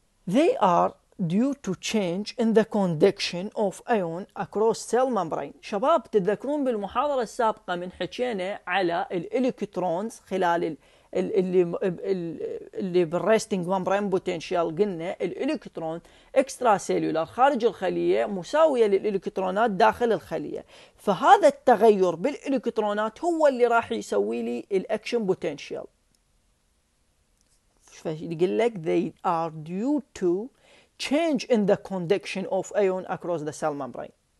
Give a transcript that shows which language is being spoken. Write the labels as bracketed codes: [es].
[en] They are due to change in the conduction of ion across cell membrane. [ar] شباب تذكرون بالمحاضرة السابقة من حكينا على الإلكترونز خلال اللي بالريستنج ممبرين بوتنشيال. قلنا الإلكترون إكسترا سيلولار خارج الخلية مساوية للإلكترونات داخل الخلية، فهذا التغير بالإلكترونات هو اللي راح يسوي لي الأكشن بوتنشيال. فيقلك [en] they are due to change in the conduction of ion across the cell membrane.